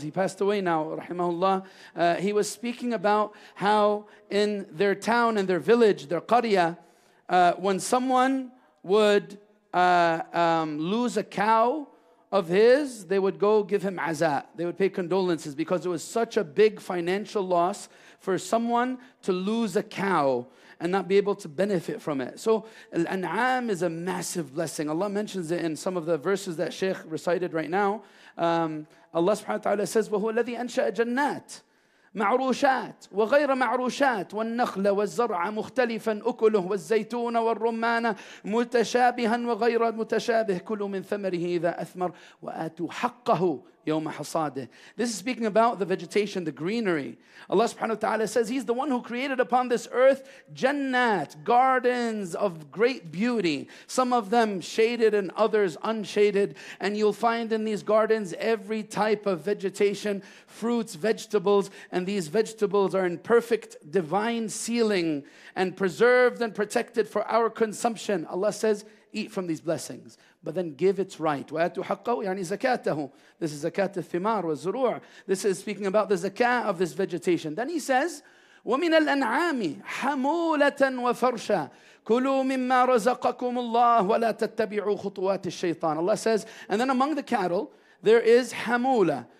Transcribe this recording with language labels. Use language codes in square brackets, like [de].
[en] He passed away now, rahimahullah. He was speaking about how in their town, in their village, their qariya, when someone would lose a cow of his, they would go give him aza. They would pay condolences because it was such a big financial loss for someone to lose a cow and not be able to benefit from it. So Al-An'am is a massive blessing. Allah mentions it in some of the verses that Shaykh recited right now. Allah subhanahu wa ta'ala says, [ar] وَهُوَ الَّذِي أَنْشَأَ جَنَّاتٍ مَعْرُوشَاتٍ وَغَيْرَ مَعْرُوشَاتٍ وَالنَّخْلَ وَالزَّرْعَ مُخْتَلِفًا أُكُلُهُ وَالزَّيْتُونَ وَالرُّمَّانَ مُتَشَابِهًا وَغَيْرَ مُتَشَابِهٍ كُلُوا مِنْ ثَمَرِهِ إِذَا أَثْمَرَ وَآتُوا حَقَّهُ يوم حصاده. [en] This is speaking about the vegetation, the greenery. Allah subhanahu wa ta'ala says he's the one who created upon this earth jannat, gardens of great beauty. Some of them shaded and others unshaded. And you'll find in these gardens every type of vegetation, fruits, vegetables. And these vegetables are in perfect divine sealing and preserved and protected for our consumption. Allah says, eat from these blessings. But then give its right. [ar] وَآتُوا حَقَّهُ يعني زَكَاتَهُ. [en] This is zakat al-thimar wa zuru'. This is speaking about the zakah of this vegetation. Then he says, [ar] وَمِنَ الْأَنْعَامِ حَمُولَةً وَفَرْشًا كُلُوا مِمَّا رَزَقَكُمُ اللَّهُ وَلَا تَتَّبِعُوا خُطُوَاتِ الشَّيْطَانِ. [en] Allah says, and then among the cattle, there is hamula.